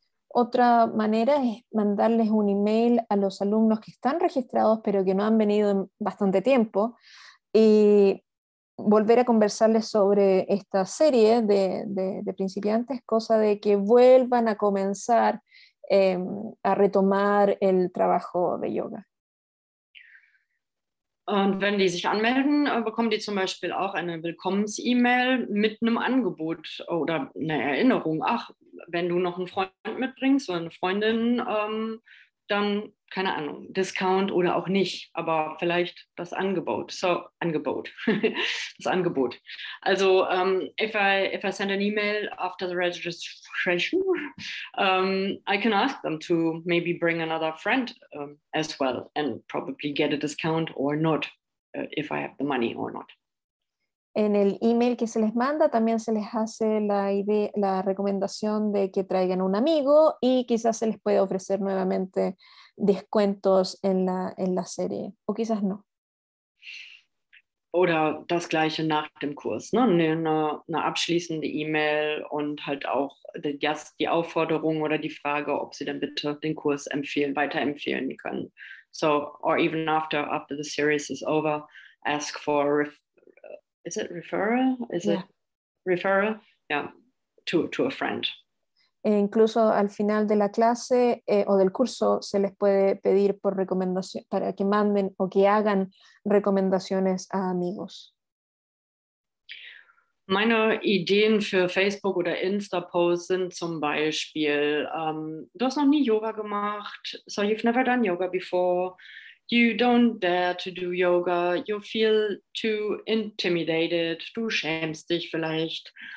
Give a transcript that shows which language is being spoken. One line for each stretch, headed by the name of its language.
Spanish: Otra manera es mandarles un email a los alumnos que están registrados pero que no han venido en bastante tiempo y volver a conversarles sobre esta serie de principiantes, cosa de que vuelvan a comenzar a retomar el trabajo de yoga.
German: Und wenn die sich anmelden, bekommen die zum Beispiel auch eine Willkommens-E-Mail mit einem Angebot oder eine Erinnerung. Ach, wenn du noch einen Freund mitbringst oder eine Freundin, dann, keine Ahnung, Discount oder auch nicht, aber vielleicht das Angebot. So, Angebot. Das Angebot.
English: Also, if I send an email after the registration, I can ask them to maybe bring another friend as well and probably get a discount or not, if I have the money or not.
Spanish: En el email que se les manda también se les hace la idea, la recomendación de que traigan un amigo y quizás se les puede ofrecer nuevamente descuentos en la serie, o quizás no.
German: Oder das gleiche nach dem Kurs, ne? Eine abschließende E-Mail und halt auch die Aufforderung oder die Frage, ob sie dann bitte den Kurs empfehlen, weiterempfehlen können.
English: So, or even after the series is over, ask for referral? Yeah, to a friend.
Spanish: E incluso al final de la clase o del curso se les puede pedir por recomendación para que manden o que hagan recomendaciones a amigos.
German: Meine Ideen für Facebook oder Insta-Posts sind zum Beispiel, du hast noch nie Yoga gemacht,
English: so you've never done yoga before. You don't dare to do yoga, you feel too intimidated,
German: du schämst dich vielleicht.